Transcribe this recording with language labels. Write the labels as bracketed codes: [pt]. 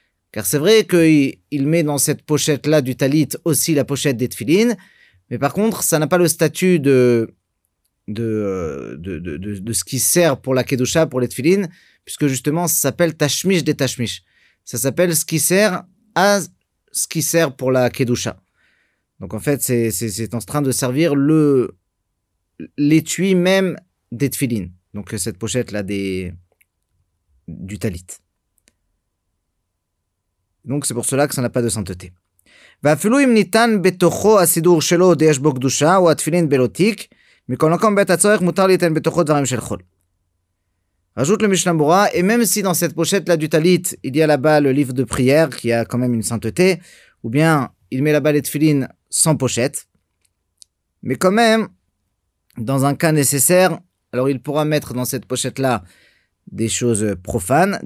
[fr] Car c'est vrai qu'il met dans cette pochette-là du talit aussi la pochette des tefilines, mais par contre, ça n'a pas le statut de ce qui sert pour la kedusha, pour les tefilines, puisque justement ça s'appelle tashmish des tashmish, ça s'appelle ce qui sert à ce qui sert pour la kedusha. Donc en fait c'est en train de servir le l'étui même des tefilines, donc cette pochette-là du talit. Donc c'est pour cela que ça n'a pas de sainteté. [he] ואפילו אם ניתן בתוכו הסידור שלו עוד יש בו קדושה, הוא התפילין בלותיק, מכל מקום בית הצורך מותר להיתן בתוכו דברים של חול. [fr] Rajoute le Mishnah Berurah, et même si dans cette pochette-là du Talit, il y a là-bas le livre de prière, qui a quand même une sainteté, ou bien il met là-bas les tefilines sans pochette, mais quand même, dans un cas nécessaire, alors il pourra mettre dans cette pochette-là des choses profanes.